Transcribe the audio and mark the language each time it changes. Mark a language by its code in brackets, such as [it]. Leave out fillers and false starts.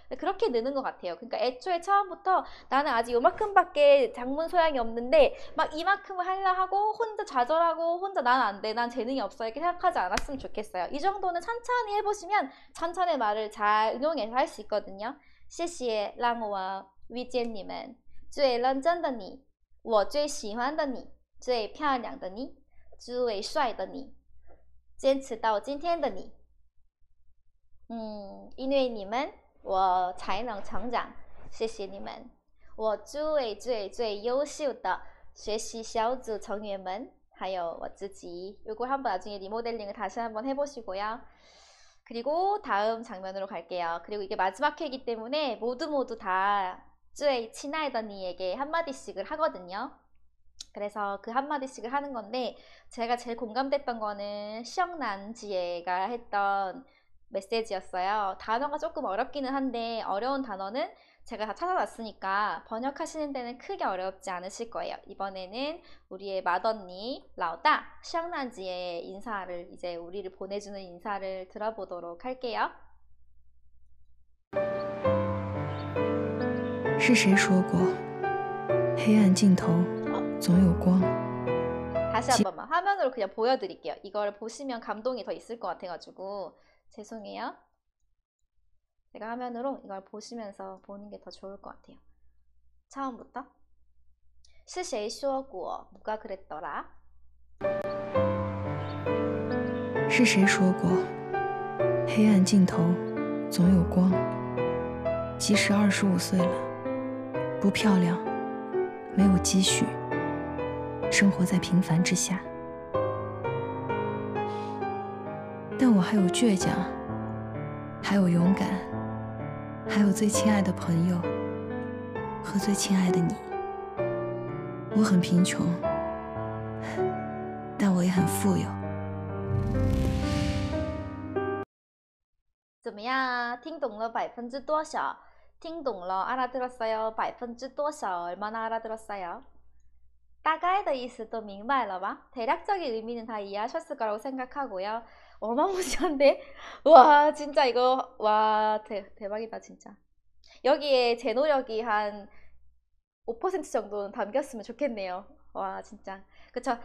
[ko] 그렇게 느는 것 같아요. 그러니까 애초에 처음부터 나는 아직 요만큼밖에 장문 소양이 없는데 막 이만큼을 하려 하고 혼자 좌절하고 혼자 난안 돼. 난 재능이 없어. 이렇게 생각하지 않았으면 좋겠어요. 이 정도는 천천히 해보시면 천천히 말을 잘 응용해서 할수 있거든요. [zh] 谢谢, [ko] 랑호와 위제님은 [zh] 最认真的你我最喜欢的你最漂亮的你，最帅的你，坚持到今天的你，因为你们，我才能成长。谢谢你们，我诸位最优秀的学习小组成员们，还有我自己。 [ko] 如果한번나중에리모델링을다시한번해보시고요。 그리고다음장면으로갈게요。 그리고이게마지막회이기때문에모두모두다 [zh] 最亲爱的你 [ko] 에게한마디씩을하거든요。 그래서 그 한마디씩을 하는 건데, 제가 제일 공감됐던 거는, 시영난지예가 했던 메시지였어요. 단어가 조금 어렵기는 한데, 어려운 단어는 제가 다 찾아놨으니까, 번역하시는 데는 크게 어렵지 않으실 거예요. 이번에는 우리의 맏언니, 라오다, 시영난지예의 인사를, 이제 우리를 보내주는 인사를 들어보도록 할게요. [zh] 是谁说过，黑暗尽头总有光？ [ko] 다시 한번만 화면으로 그냥 보여드릴게요. 이걸 보시면 감동이 더 있을 것 같아가지고 죄송해요. 제가 화면으로 이걸 보시면서 보는 게더 좋을 것 같아요. 처음부터 [zh] 是谁说过？ [ko] 누가 그랬더라? [zh] 是谁说过，黑暗尽头总有光？即使25岁了，不漂亮，没有积蓄，生活在平凡之下，但我还有倔强，还有勇敢，还有最亲爱的朋友和最亲爱的你。我很贫穷，但我也很富有。怎么样啊？听懂了100%多少？听懂了， [ko] 알아들었어요？ [zh] 100%多少？ [ko] 얼마나알아들었어요？ [zh] 大概的意思都明白了吧？ [ko] 대략적인의미는다이해하셨을거라고생각하고요。 어마무시한데？ 와，진짜이거와대박이다진짜。 여기에제노력이한5%정도는담겼으면좋겠네요。 와진짜。 그쵸？